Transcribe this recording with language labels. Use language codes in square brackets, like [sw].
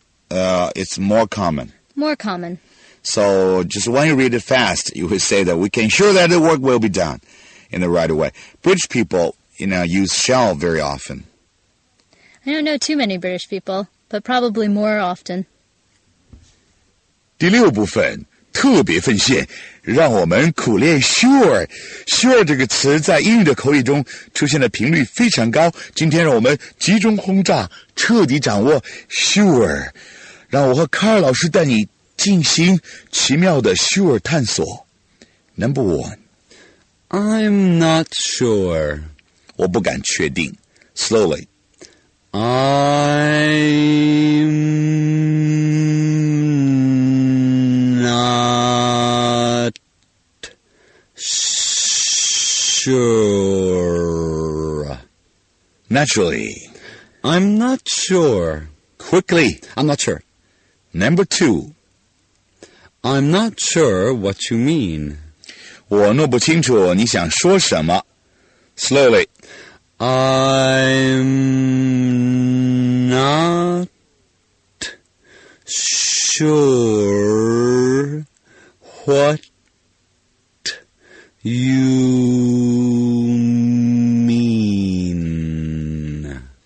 [en] It's more common. More common. So just when you read it fast, you would say that we can ensure that the work will be done in the right way. British people, you know, use shall very often. I don't know too many British people, but probably more often. [zh] 第六部分特别奉献，让我们苦练 sure。 sure 这个词在英语的口语中出现的频率非常高。今天让我们集中轰炸，彻底掌握 sure。让我和卡尔老师带你进行奇妙的 sure 探索。 [en] Number one, I'm not sure。 [zh] 我不敢确定。 [en] Slowly, I'm not sure. Naturally, I'm not sure. Quickly, I'm not sure. Number two, I'm not sure what you mean. [zh] 我弄不清楚你想说什么。 [en] Slowly, I'm not sure what you mean.